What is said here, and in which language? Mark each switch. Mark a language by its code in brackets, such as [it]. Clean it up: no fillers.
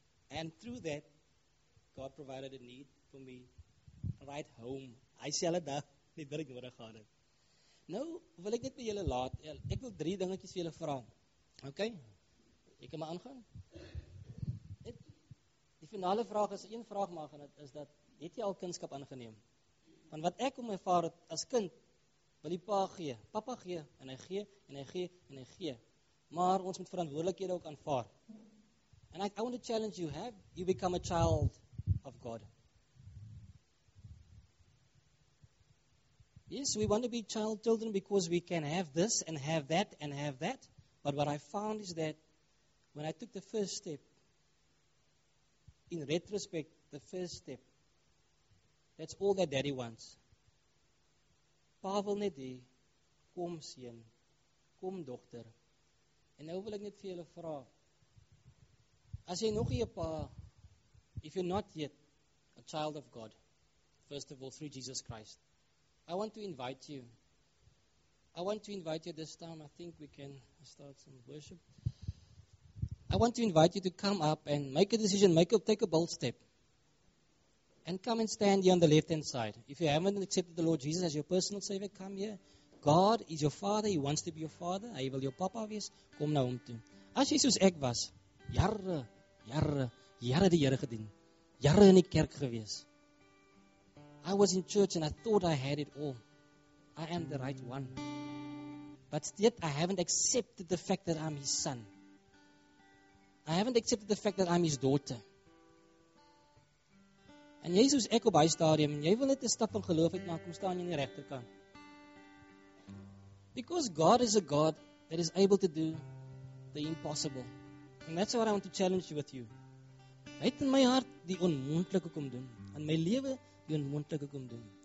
[en] And through that God provided a need for me right home. [af] Hy sê hulle dag nie dit ek nodig gehad het. Nou wil ek net by julle laat, ek wil 3 dingetjies vir julle vra. Ok, ek kan maar aangaan. Die finale vraag is, een vraag mag, en dit is dat, het jy al kindskap aangeneem? Van wat ek om my vader as kind, wil die pa gee, papa gee, en hy gee, en hy gee, en hy gee. Maar ons moet verantwoordelikhede ook aanvaar. [en] And I want to challenge you, have you become a child of God? Yes, we want to be children because we can have this and have that and have that. But what I found is that when I took the first step, in retrospect, the first step, that's all that daddy wants. [af] Pa wil net hê, kom seun, kom dogter. En nou wil ek net vir julle vra, as jy nog nie 'n pa, [en] if you're not yet a child of God, first of all, through Jesus Christ, I want to invite you this time. I think we can start some worship. I want to invite you to come up and make a decision, take a bold step. And come and stand here on the left-hand side. If you haven't accepted the Lord Jesus as your personal Savior, come here. God is your Father. He wants to be your Father. [af] Hy wil jou papa wees. Kom na hom toe. As jy soos ek was, jare die Here gedien, jare in die kerk gewees. [en] I was in church and I thought I had it all. I am the right one. But yet I haven't accepted the fact that I'm his son. I haven't accepted the fact that I'm his daughter. [af] En jy soos ek op hy stadium, jy wil net 'n stap in geloof uit maak, kom staan jy aan die regterkant. [en] Because God is a God that is able to do the impossible. And that's what I want to challenge with you. [af] Hy het in my hart die onmoontlike kom doen. In my lewe die onmoontlike kom doen.